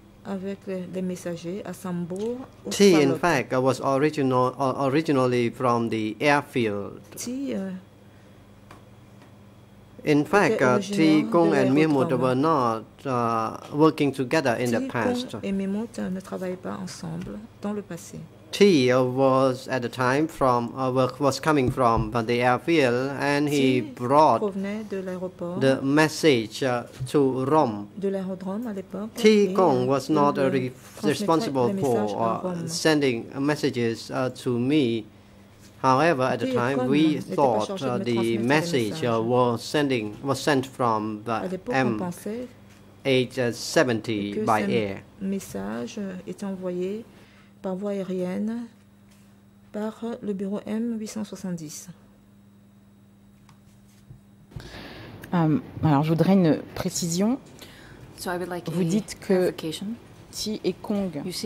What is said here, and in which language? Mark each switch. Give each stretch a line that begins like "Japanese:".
French: Avec les messagers à Sambo.
English: Ti, in fact, was originally from the airfield. Ti, in fact, Ti Kong and Mimut were not working together in the past.
French: Ti Kong et Mimut ne travaillaient pas ensemble dans le passé.
English: Ti was at the time from was coming from the airfield, and he brought the message to Rome.
French: De l'aérodrome à l'époque.
English: Ti Kong was not responsible for sending messages to me. However, at the time, we thought the message was sent from the M870 by air.
French: Le message est envoyé par voie aérienne par le bureau M870. Alors, je voudrais une précision.
English: So I would like
French: vous dites que Ti et Kong.